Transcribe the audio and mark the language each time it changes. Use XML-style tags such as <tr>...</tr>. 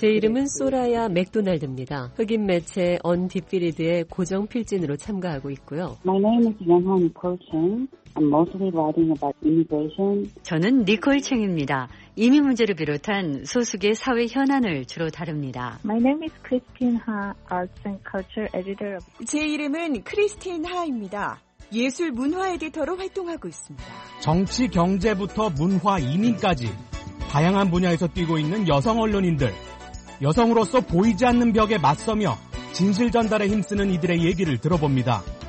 <ko>제 이름은 소라야 맥도날드입니다. 흑인 매체 언디피리드의 고정 필진으로 참가하고 있고요.</ko> <en>My name is Yeonhan Kochung. I'm mostly writing about immigration.</en> <ko>저는 니콜 챙입니다. 이민 문제를 비롯한 소수계 사회 현안을 주로 다룹니다.</ko> <en>My name is Christine Ha, Arts and Culture Editor.</en> <ko>제 이름은 크리스틴 하입니다. 예술 문화 에디터로 활동하고 있습니다. 정치, 경제부터 문화, 이민까지 다양한 분야에서 뛰고 있는 여성 언론인들. 여성으로서 보이지 않는 벽에 맞서며 진실 전달에 힘쓰는 이들의 얘기를 들어봅니다.</ko>